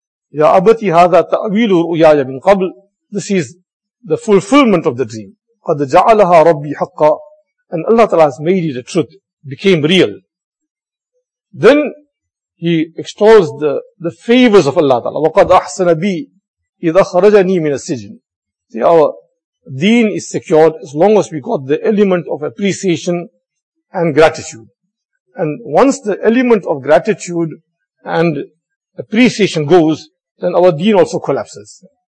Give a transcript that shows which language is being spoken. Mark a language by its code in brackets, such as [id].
[ar] Ya abati hadha ta'wilu ru'yaya min qabl. [en] This is the fulfillment of the dream. [ar] قَدْ جَعَلَهَا رَبِّي حَقَّى. [en] And Allah Ta'ala has made it a truth, became real. Then He extols the favors of Allah Ta'ala. [ar] وَقَدْ أَحْسَنَ بِي إِذْ أَخْرَجَنِي مِنَ السِّجْنِ. [en] See, our deen is secured as long as we got the element of appreciation and gratitude. And once the element of gratitude and appreciation goes, then our deen also collapses.